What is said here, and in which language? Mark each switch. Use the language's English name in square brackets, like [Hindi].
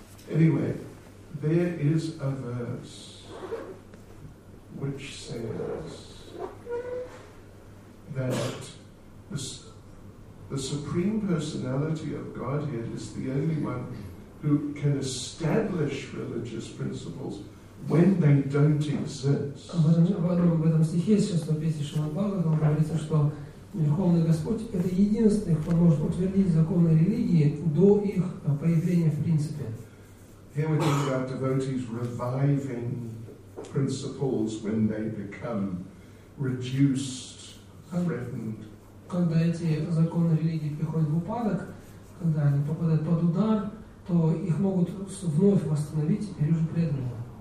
[English] Anyway, there is a verse which says that the Supreme Personality of Godhead is the only one who can establish religious principles when they don't exist. [Russian] В этом стихе из 6-го песни Шримад-Бхагаватам говорится, что Верховный Господь – это единственный, кто может утвердить законы религии до их появления в принципе. [English] Here we talk about devotees reviving principles when they become reduced, threatened. [Russian] Когда эти законы религии приходят в упадок, когда они попадают под удар, то их могут вновь восстановить теперь уже преданные.